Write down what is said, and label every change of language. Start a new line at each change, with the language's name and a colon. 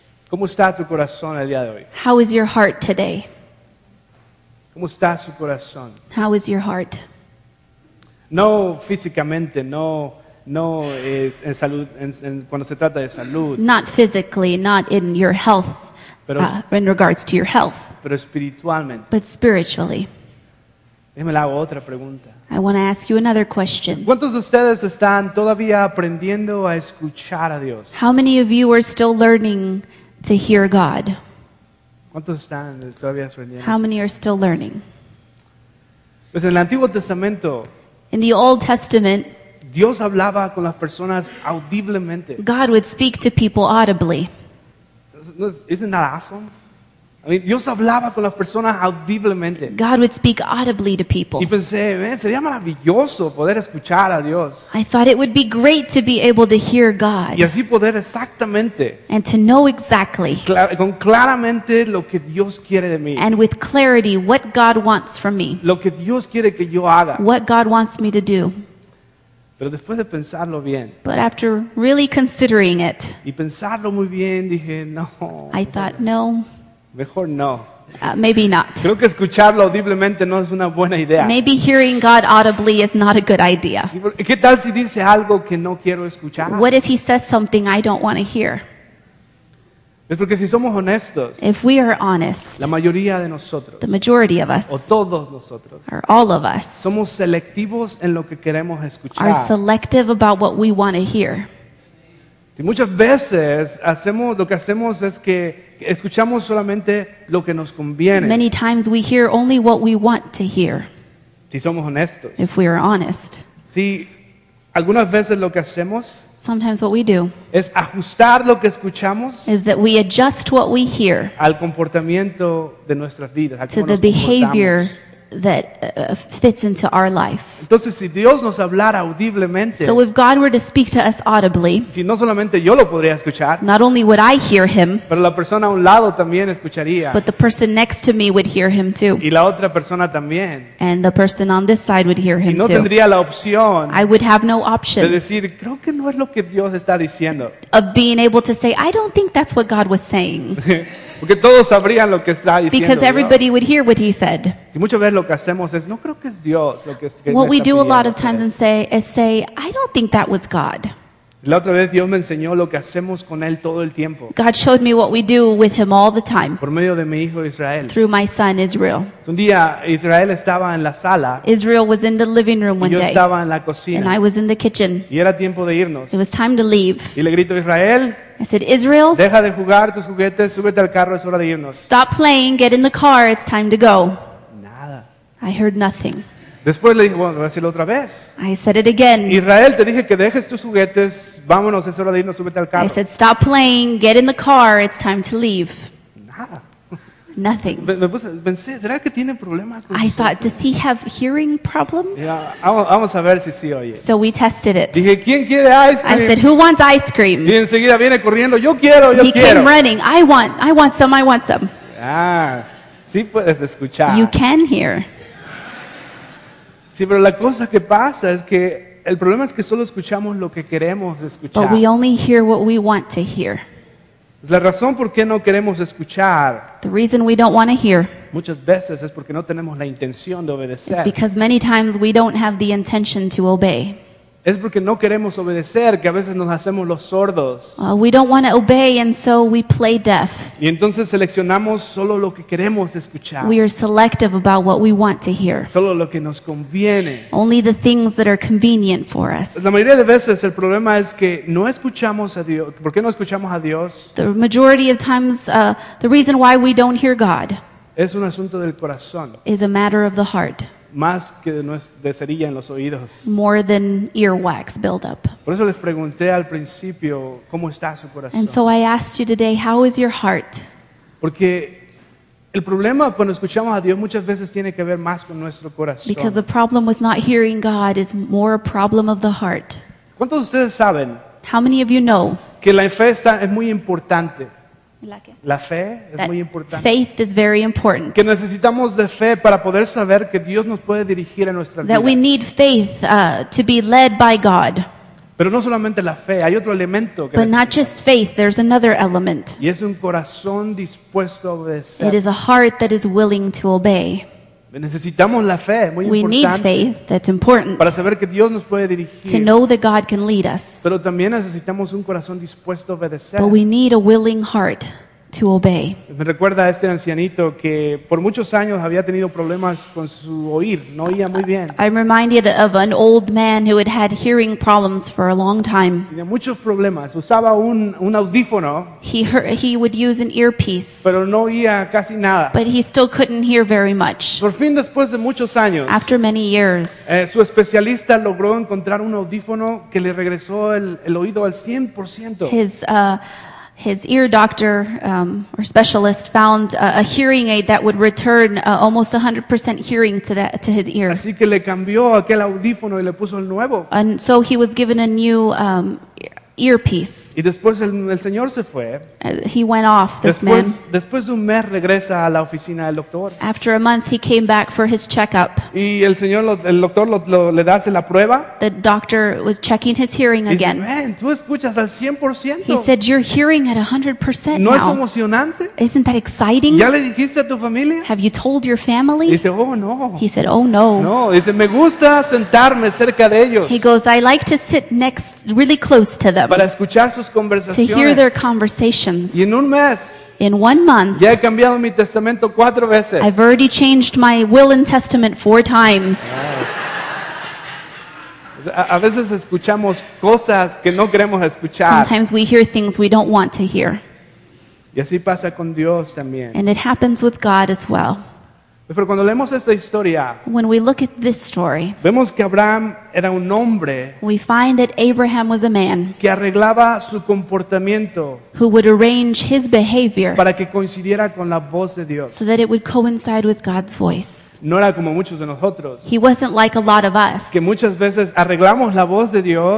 Spanish: ¿Cómo está tu corazón el día de hoy?
English: How is your heart today?
Spanish: ¿Cómo está su corazón?
English: How is your heart?
Spanish: No físicamente, no es en salud, cuando se trata de salud.
English: Not physically, not in your health,
Spanish: pero,
English: in regards to your health.
Spanish: Pero espiritualmente.
English: But spiritually.
Spanish: Déjeme la hago otra pregunta.
English: I want to ask you another question.
Spanish: ¿Cuántos de ustedes están todavía aprendiendo a escuchar a Dios?
English: How many of you are still learning to hear God?
Spanish: ¿Cuántos están todavía aprendiendo?
English: How many are still learning?
Spanish: Pues en el Antiguo Testamento,
English: in the Old Testament,
Spanish: Dios hablaba con las personas audiblemente.
English: God would speak to people audibly. Isn't that awesome?
Spanish: Dios hablaba con las personas audiblemente.
English: God would speak audibly to people.
Spanish: Y pensé, sería maravilloso poder escuchar a Dios.
English: I thought it would be great to be able to hear God.
Spanish: Y así poder exactamente.
English: And to know exactly.
Spanish: Con claramente lo que Dios quiere de mí.
English: And with clarity what God wants from me.
Spanish: Lo que Dios quiere que yo haga.
English: What God wants me to do.
Spanish: Pero después de pensarlo bien.
English: But after really considering it.
Spanish: Y pensarlo muy bien, dije, no.
English: I thought, no.
Spanish: Mejor no.
English: Maybe not.
Spanish: Creo que escucharlo audiblemente no es una buena idea.
English: Maybe hearing God audibly is not a good idea.
Spanish: ¿Qué tal si dice algo que no quiero escuchar?
English: What if he says something I don't want to hear?
Spanish: Es porque si somos honestos,
English: if we are honest,
Spanish: la mayoría de nosotros,
English: the majority of us,
Spanish: o todos nosotros,
English: or all of us,
Spanish: somos selectivos en lo que queremos escuchar.
English: Are selective about what we want to hear.
Spanish: Y muchas veces hacemos lo que hacemos es que escuchamos solamente lo que nos conviene.
English: Many times we hear only what we want to hear.
Spanish: Si somos honestos.
English: If we are honest.
Spanish: Si algunas veces lo que hacemos.
English: Sometimes what we do.
Spanish: Es ajustar lo que escuchamos.
English: Is that we adjust what we hear.
Spanish: Al comportamiento de nuestras vidas.
English: To the behavior that fits into our life.
Spanish: Entonces, si Dios nos hablara audiblemente,
English: so if God were to speak to us audibly,
Spanish: si no solamente yo lo podría escuchar,
English: not only would I hear him,
Spanish: pero la persona a un lado también escucharía,
English: but the person next to me would hear him too.
Spanish: Y la otra persona también.
English: And the person on this side would hear him
Spanish: y no
English: too.
Spanish: Tendría la opción,
English: I would have no option
Spanish: de decir, creo que no es lo que Dios está diciendo.
English: Of being able to say, I don't think that's what God was saying.
Spanish: Porque todos sabrían lo que está diciendo.
English: Because everybody
Spanish: Dios.
English: Would hear what he said.
Spanish: Si muchas veces lo que hacemos es no creo que es Dios lo que está diciendo.
English: What we do a lot of times and say is say I don't think that was God.
Spanish: La otra vez Dios me enseñó lo que hacemos con él todo el tiempo.
English: God showed me what we do with him all the time.
Spanish: Por medio de mi hijo Israel.
English: Through my son Israel.
Spanish: Un día Israel estaba en la sala.
English: Israel was in the living room one day.
Spanish: Y yo estaba en la cocina.
English: And I was in the kitchen.
Spanish: Y era tiempo de irnos.
English: It was time to leave.
Spanish: Y le grito a Israel.
English: I said, Israel,
Spanish: deja de jugar tus juguetes, súbete al carro, es hora de irnos.
English: Stop playing, get in the car, it's time to go.
Spanish: Nada.
English: I heard nothing.
Spanish: Después le dije, bueno, voy a decirlo otra vez.
English: I said it again.
Spanish: Israel, te dije que dejes tus juguetes, vámonos, es hora de irnos, súbete al carro.
English: I said, stop playing, get in the car, it's time to leave.
Spanish: Nada.
English: Nothing.
Spanish: Pensé, ¿será que tiene problema con
English: I thought,
Spanish: suerte?
English: Does he have hearing problems?
Spanish: Yeah, vamos a ver si sí oye.
English: So we tested it.
Spanish: Dije, ¿quién quiere ice cream?
English: I said, who wants ice cream?
Spanish: Y enseguida viene corriendo, yo quiero, yo
English: he
Spanish: quiero.
English: Came running, I want some.
Spanish: Ah, sí puedes escuchar.
English: You can hear.
Spanish: Sí, pero la cosa que pasa es que el problema es que solo escuchamos lo que queremos escuchar.
English: But we only hear what we want to hear.
Spanish: La razón por qué no queremos escuchar.
English: The reason we don't want to hear.
Spanish: Muchas veces es porque no tenemos la intención de obedecer.
English: It's because many times we don't have the intention to obey.
Spanish: Es porque no queremos obedecer que a veces nos hacemos los sordos.
English: We don't want to obey and so we play deaf.
Spanish: Y entonces seleccionamos solo lo que queremos escuchar.
English: We are selective about what we want to hear.
Spanish: Solo lo que nos conviene. Only the things that are convenient for us. La mayoría de veces el problema es que no escuchamos a Dios. ¿Por qué no escuchamos a Dios?
English: The majority of times, the reason why we don't hear God
Spanish: es un asunto del corazón.
English: Is a matter of the heart.
Spanish: Más que de cerilla en los oídos.
English: More than earwax buildup.
Spanish: Por eso les pregunté al principio cómo está su corazón.
English: And so I asked you today, how is your heart?
Spanish: Porque el problema cuando escuchamos a Dios muchas veces tiene que ver más con nuestro corazón.
English: Because the problem with not hearing God is more a problem of the heart.
Spanish: ¿Cuántos de ustedes saben?
English: How many of you know?
Spanish: Que la fe es muy importante. La fe es
English: that
Spanish: muy importante.
English: Faith is very important.
Spanish: Que necesitamos de fe para poder saber que Dios nos puede dirigir en nuestra
English: that That we need faith to be led by God.
Spanish: Pero no solamente la fe, hay otro elemento que
English: but not just faith, there's another element.
Spanish: Y es un corazón dispuesto a obedecer.
English: It is a heart that is willing to obey.
Spanish: Necesitamos la fe, muy
English: we
Spanish: importante.
English: Need faith, that's important.
Spanish: Para saber que Dios nos puede dirigir.
English: To know that God can lead us.
Spanish: Pero también necesitamos un corazón dispuesto a obedecer.
English: But we need a willing heart to obey.
Spanish: Me recuerda a este ancianito que por muchos años había tenido problemas con su oír, no oía muy bien.
English: I'm reminded of an old man who had had hearing problems for a long time.
Spanish: Tenía muchos problemas, usaba un audífono.
English: He would use an earpiece.
Spanish: Pero no oía casi nada.
English: But he still couldn't hear very much.
Spanish: Por fin después de muchos años.
English: After many years.
Spanish: Su especialista logró encontrar un audífono que le regresó el oído al 100%.
English: His his ear doctor or specialist found a hearing aid that would return almost 100% hearing to his ear.
Spanish: Así que le cambió aquel audífono y le puso el nuevo.
English: And so he was given a new earpiece.
Spanish: Y después el señor se fue.
English: He went off, this
Spanish: después,
English: man.
Spanish: Después de un mes regresa a la oficina del doctor.
English: After a month, he came back for his checkup.
Spanish: Y el señor, el doctor le da la prueba.
English: The doctor was checking his hearing again.
Spanish: Y dice, man, tú escuchas al 100%.
English: He said, you're hearing at 100%
Spanish: ¿No
English: now.
Spanish: ¿No es emocionante?
English: Isn't that exciting?
Spanish: ¿Ya le dijiste a tu familia?
English: Have you told your family?
Spanish: Y dice, oh, no.
English: He said, oh, no.
Spanish: No, dice, me gusta sentarme cerca de ellos.
English: He goes, I like to sit next, really close to them.
Spanish: Para escuchar sus conversaciones.
English: To hear their conversations.
Spanish: Y en un mes,
English: in 1 month,
Spanish: ya he cambiado mi testamento cuatro veces.
English: I've already changed my will and testament 4 times. Yes.
Spanish: A veces escuchamos cosas que no queremos escuchar.
English: Sometimes we hear things we don't want to hear.
Spanish: Y así pasa con Dios también.
English: And it happens with God as well.
Spanish: Pero cuando leemos esta historia,
English: when we look at this story,
Spanish: vemos que Abraham era un hombre,
English: we find that Abraham was a man
Spanish: que arreglaba su comportamiento,
English: who would arrange his behavior
Spanish: para que coincidiera con la voz de Dios,
English: so that it would coincide with God's voice.
Spanish: No era como muchos de nosotros,
English: he wasn't like a lot of us,
Spanish: que muchas veces arreglamos la voz de Dios,